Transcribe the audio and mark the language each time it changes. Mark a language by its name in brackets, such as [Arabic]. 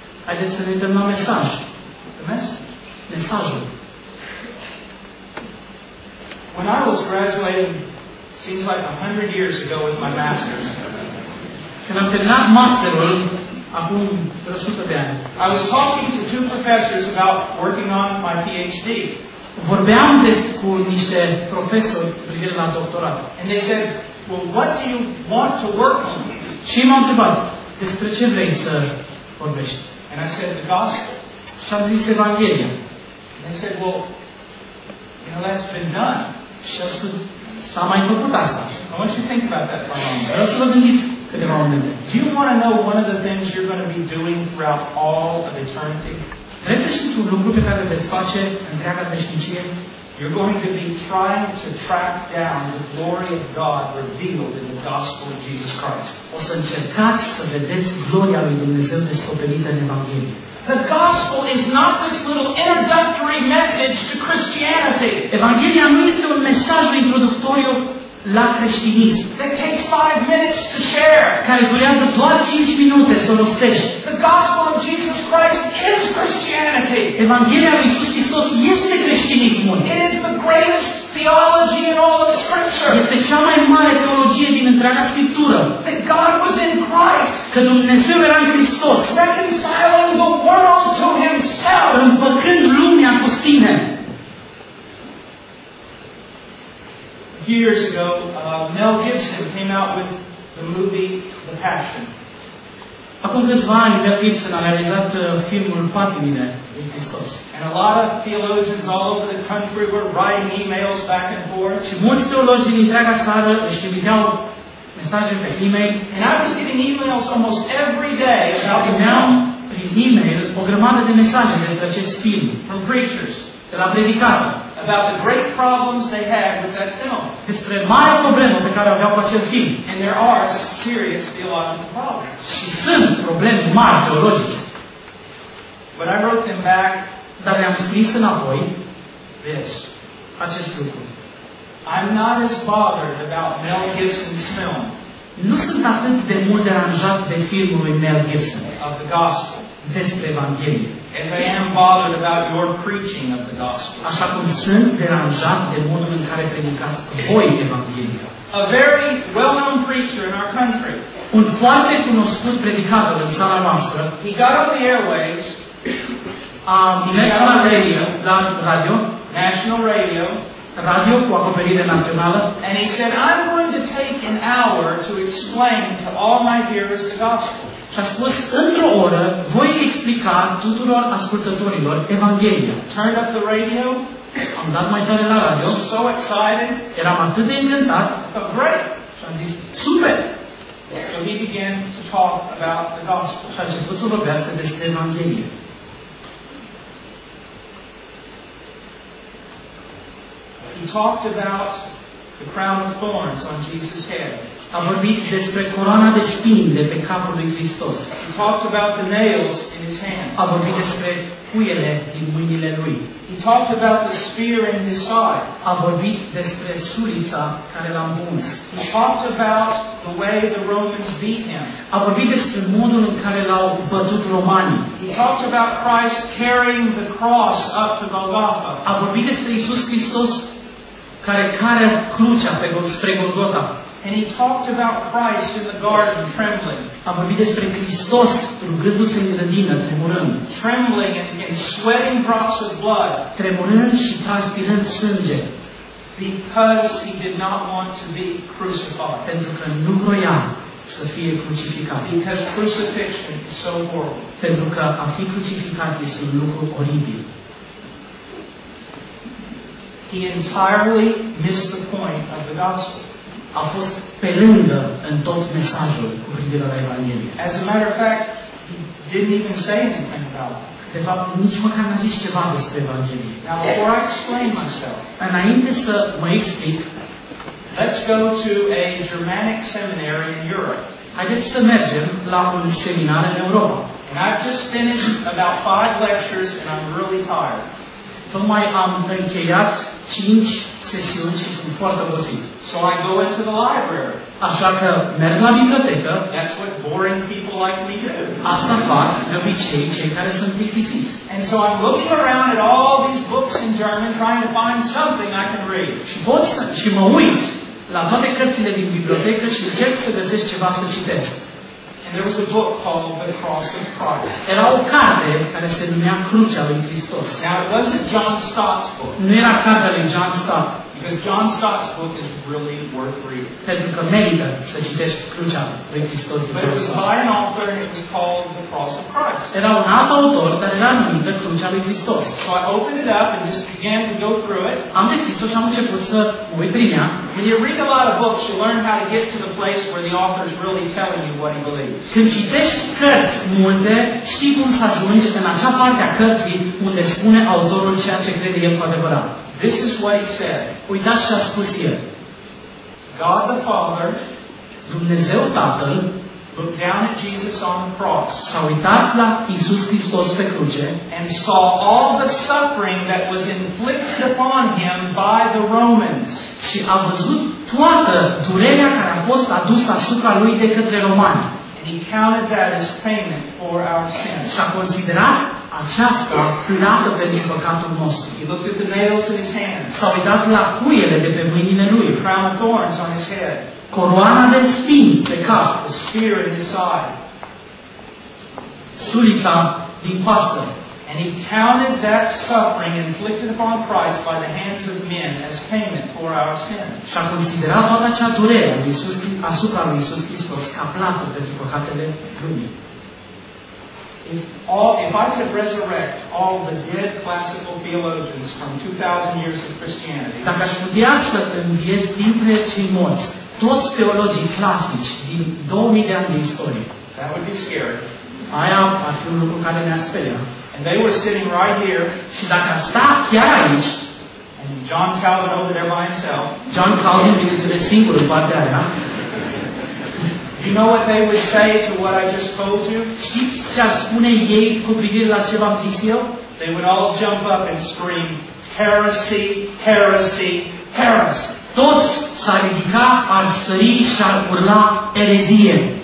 [Romanian] Haideți să ne uităm la mesaj. [English] The message. [Romanian] Mesajul. [English] When I was graduating, seems like 100 years ago with my master's. [Romanian] Când am terminat masterul, acum 100 de ani. [English] I was talking to two professors about working on my PhD. [Romanian] Vorbeam cu niște profesori privind la doctorat. [English] And they said, well, what do you want to work on? [Romanian] Și m-am întrebat, despre ce vrei să vorbești? [English] And I said, the gospel. [Romanian] Și am zis Evanghelia. [English] And they said, well, you know, that's been done. [Romanian] Și a spus, s-a mai făcut asta. [English] I want you to think about that for a moment. [Romanian] Vreau să vă gândiți câteva [English] on them. Do you want to know one of the things you're going to be doing throughout all of eternity? You're going to be trying to track down the glory of God revealed in the gospel of Jesus Christ. The gospel is not this little introductory message to Christianity. [Romanian] Evanghelia nu este un mesaj introductoriu la creștinism. [English] That takes 5 minutes to share. [Romanian] Care durează doar 5 minute să rostești. [English] The gospel of Jesus Christ is Christianity. [Romanian] Evanghelia lui Iisus Hristos este creștinismul. [English] It is the greatest theology in all of Scripture. [Romanian] Este cea mai mare teologie din întreaga Scriptură. [English] That God was in Christ. [Romanian] Că Dumnezeu era în Hristos. [English] Reconciling the world to Himself. [Romanian] Împăcând lumea cu Sine. [English] Years ago, Mel Gibson came out with the movie The Passion. [Romanian] Acum câțiva ani, Mel Gibson a realizat filmul Patimile lui Hristos. [English] And a lot of theologians all over the country were writing emails back and forth. [Romanian] Și mulți teologi din întreaga țară își trimiteau mesaje pe e-mail. [English] And I was getting emails almost every day about [Romanian] the now prin e-mail o grămadă de mesaje despre acest film. [English] From preachers. [Romanian] De la predicare. [English] About the great problems they had with that film. [Romanian] Despre mare problemă pe care aveau cu acel film. [English] And there are serious theological problems. [Romanian] Și sunt probleme mari teologice. [English] But I wrote them back. [Romanian] Dar le-am scris înapoi. [English] This. [Romanian] Acest lucru. [English] I'm not as bothered about Mel Gibson's film. [Romanian] Nu sunt atât de mult deranjat de filmul lui Mel Gibson. [English] Of the gospel. [Romanian] Despre Evanghelie. [English] As I am bothered about your preaching of the gospel. [Romanian] Așa cum sunt deranjat de modul în care predicați voi Evanghelia. [English] A very well-known preacher in our country. [Romanian] Un foarte cunoscut predicator în țara noastră. [English] He got on the airwaves. [Romanian] La radio. [English] National radio. [Romanian] Radio cu acoperire națională. [English] And he said, I'm going to take an hour to explain to all my hearers the gospel. [Romanian] Și a spus, într-o oră, voi explica tuturor ascultătorilor Evanghelia. [English] Turned up the radio. [Romanian] Am dat mai tare la radio. [English] So excited. [Romanian] Eram atât de încântat. [English] Great. [Romanian] Și am zis, super. [English] So he began to talk about the gospel. [Romanian] Și a început să vorbească despre Evanghelie. [English] He talked about the crown of thorns on Jesus' head. [Romanian] A vorbit despre corona de spini de pe capul lui Hristos. [English] He talked about the nails in his hands. [Romanian] A vorbit despre cuiele din mâinile lui. [English] He talked about the spear in his side. [Romanian] A vorbit despre surița care l-a împuns. [English] He talked about the way the Romans beat him. [Romanian] A vorbit despre modul în care l-au bătut romanii. [English] He talked about Christ carrying the cross up to Golgotha. [Romanian] A vorbit despre Iisus Hristos care cară crucea spre Golgota. [English] And he talked about Christ in the garden trembling. [Romanian] A vorbit despre Hristos rugându-se în grădină, tremurând. [English] Trembling and sweating drops of blood. [Romanian] Tremurând și transpirând sânge. [English] Because he did not want to be crucified. [Romanian] Pentru că nu vroia să fie crucificat. [English] Because crucifixion is so horrible. [Romanian] Pentru că a fi crucificat este un lucru oribil. [English] He entirely missed the point of the gospel. [Romanian] A fost pe lângă în tot mesajul cu privire la Evanghelie. [English] As a matter of fact, he didn't even say anything about it. [Romanian] De fapt, nici măcar n-a zis ceva despre Evanghelie. [English] Now, before I explain myself, [Romanian] înainte să mă explic, [English] let's go to a Germanic seminary in Europe. [Romanian] Haideți să mergem la un seminar în Europa. [English] And I've just finished about 5 lectures and I'm really tired. [Romanian] Tocmai am încheiat 5 sesiuni și sunt foarte obosit. [English] So I go into the library. [Romanian] Așa că merg la bibliotecă. [English] That's what boring people like me do. [Romanian] Asta fac de obicei cei care sunt plictisiți. [English] And so I'm looking around at all these books in German trying to find something I can read. [Romanian] Și mă uit la toate cărțile din bibliotecă și încerc să găsesc ceva să citesc. [English] And there was a book called The Cross of Christ. [Romanian] Era o carte care se numea Crucea lui Hristos. [English] Now it wasn't John Stott's book. [Romanian] Nu era cartea lui John Stott. [English] Because John Stott's book is really worth reading. [Romanian] Pentru că merită să citești crucea lui Hristos. [English] But it was by an author and it was called The Cross of Christ. [Romanian] Era un alt autor, dar era numită Crucea lui Hristos. [English] So I opened it up and just began to go through it. [Romanian] Am deschis-o și am început să uit prin ea. [English] When you read a lot of books, you learn how to get to the place where the author is really telling you what he believes. [Romanian] Când citești cărți multe, știi cum să ajungi în acea parte a cărții unde spune autorul ceea ce crede el cu adevărat. [English] This is what he said. [Romanian] Uitați ce a spus el. [English] God the Father, [Romanian] Dumnezeu Tatăl, [English] looked down at Jesus on the cross. [Romanian] S-a uitat la Iisus Hristos pe cruce, [English] and saw all the suffering that was inflicted upon him by the Romans. [Romanian] Și a văzut toată durerea care a fost adusă asupra lui de către romani. [English] And he counted that as payment for our sins. [Romanian] S-a considerat aceasta plată pentru păcatul nostru. [English] He looked at the nails in his hands. [Romanian] S-a uitat la cuiele de pe mâinile lui. [English] The crown of thorns on his head. [Romanian] Coroana de spini pe cap. [English] The spear in his side. [Romanian] Surița din coastă. [English] And he counted that suffering inflicted upon Christ by the hands of men as payment for our sin. [Romanian] Și a considerat toată acea durere asupra lui Iisus Hristos ca plată pentru păcatele lumii. [English] If I could resurrect all the dead classical theologians from 2,000 years of Christianity, [Romanian] dacă aș putea să înviez dintre cei morți toți teologii clasici din 2000 de ani de istorie, [English] that would be scary. [Romanian] Aia ar fi un lucru care ne-a speria. [English] And they were sitting right here, [Romanian] și dacă aș sta chiar aici, [English] and John Calvin over there by himself, [Romanian] John Calvin vine singur în partea aia, [English] you know what they would say to what I just told you? [Romanian] Știți ce ar spune ei cu privire la ce v-am zis eu? [English] They would all jump up and scream, heresy, heresy, heresy. [Romanian] Toți s-ar ridica, ar sări și ar urla erezie.